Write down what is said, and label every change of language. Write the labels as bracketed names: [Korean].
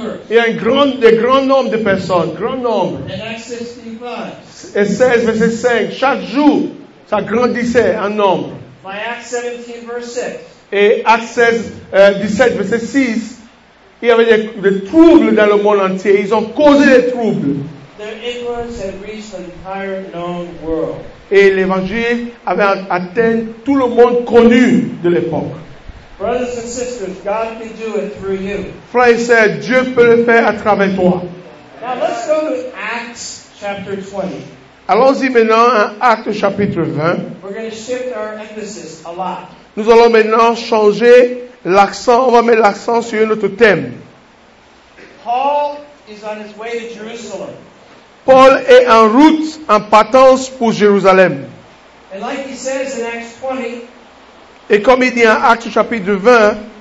[French] Il y a un grand nombre de personnes. Grand nombre. Et 16, verset 5. Chaque jour, ça grandissait en nombre. [English] By Acts 17, verse 6. [French] Et Acte 16, 17, verset 6, il y avait des troubles dans le monde entier. Ils ont causé des troubles. [English] Their influence had reached the entire known world. [French] Et l'évangile avait atteint tout le monde connu de l'époque. [English] Brothers and sisters, God can do it through you. [French] Frères et sœurs, Dieu peut le faire à travers toi. [English] Now let's go to Acts chapter 20. [French] Allons-y maintenant à Acte chapitre 20. [English] We're going to shift our emphasis a lot. [French] Nous allons maintenant changer l'accent. On va mettre l'accent sur un autre thème. [English] Paul is on his way to Jerusalem. [French] Paul est en route, en partance pour Jérusalem. [English] And like he says in Acts 20, [French] et comme il dit en Actes chapitre 20,